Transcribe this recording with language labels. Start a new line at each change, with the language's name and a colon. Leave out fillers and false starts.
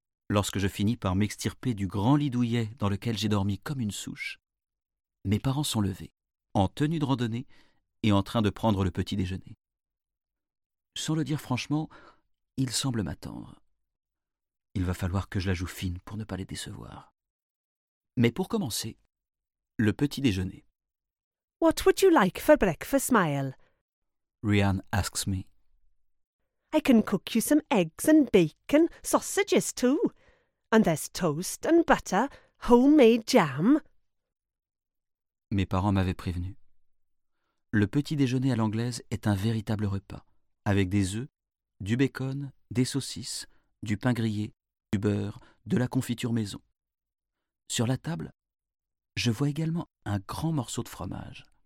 French: Lorsque je finis par m'extirper du grand lit douillet dans lequel j'ai dormi comme une souche, mes parents sont levés, en tenue de randonnée et en train de prendre le petit déjeuner. Sans le dire franchement, ils semblent m'attendre. Il va falloir que je la joue fine pour ne pas les décevoir. Mais pour commencer, le petit déjeuner.
English: What would you like for breakfast, Mael? Rhian asks me. I can cook you some eggs and bacon, sausages too. And there's toast and butter, homemade jam.
French: Mes parents m'avaient prévenu. Le petit déjeuner à l'anglaise est un véritable repas, avec des œufs, du bacon, des saucisses, du pain grillé, du beurre, de la confiture maison. Sur la table, je vois également un grand morceau de fromage.